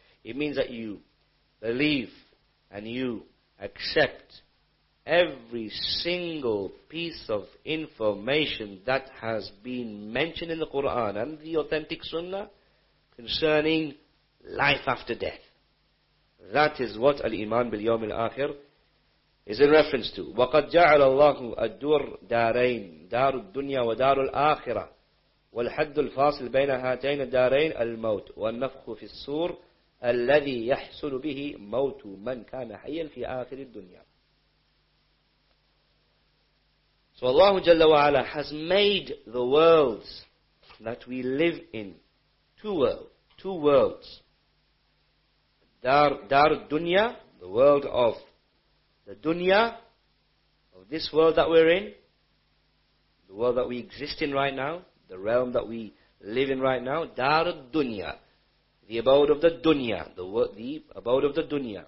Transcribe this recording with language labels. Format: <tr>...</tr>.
<en>It means that you believe and you accept every single piece of information that has been mentioned in the Quran and the authentic Sunnah concerning life after death. That is what Al-Iman bil-Yawm al-Akhir is in reference to.</en> <ar>وَقَدْ جَعَلَ اللَّهُ الدُّرْ دَارَيْنِ دَارُ الدُّنْيَا وَدَارُ الْآخِرَةِ والحد الفاصل بين هاتين الدارين الموت والنفخ في الصور الذي يحصل به موت من كان حيا في آخر الدنيا.</ar> <en>So Allah Jalla wa Ala has made the worlds that we live in two worlds. Dar dunya, the world of the dunya, of this world that we're in, the world that we exist in right now, the realm that we live in right now, Dar Dunya, the abode of the dunya, the abode of the dunya.</en>